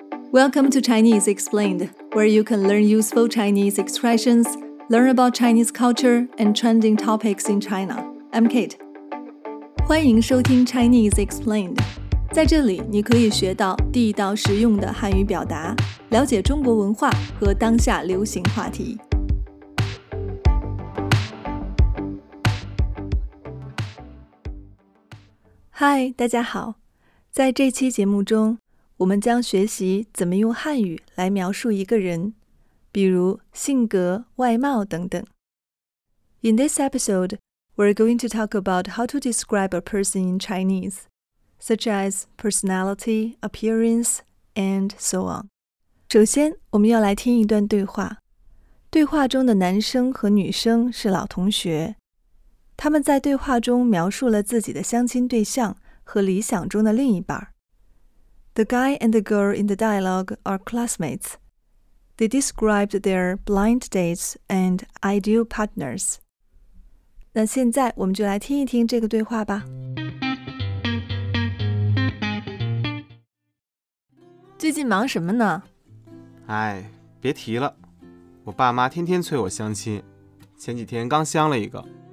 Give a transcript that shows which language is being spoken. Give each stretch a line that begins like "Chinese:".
English: Welcome to Chinese Explained, where you can learn useful Chinese expressions, learn about Chinese culture and trending topics in China. I'm Kate.
Chinese: 欢迎收听
English: Chinese Explained。
Chinese: 在这里，你可以学到地道实用的汉语表达，了解中国文化和当下流行话题。 Hi, 大家好。在这期节目中，我们将学习怎么用汉语来描述一个人，比如性格、外貌等等。
English: In this episode, we're going to talk about how to describe a person in Chinese, such as personality, appearance, and so on.
Chinese: 首先，我们要来听一段对话。对话中的男生和女生是老同学。他们在对话中描述了自己的相亲对象和理想中的另一半。
English: The guy and the girl in the dialogue are classmates. They described their blind dates and ideal partners.
Chinese: 那现在我们就来听一听这个对话吧。最近忙什么呢？哎，别提了，我爸妈天天催我相亲，前几天刚相了一个。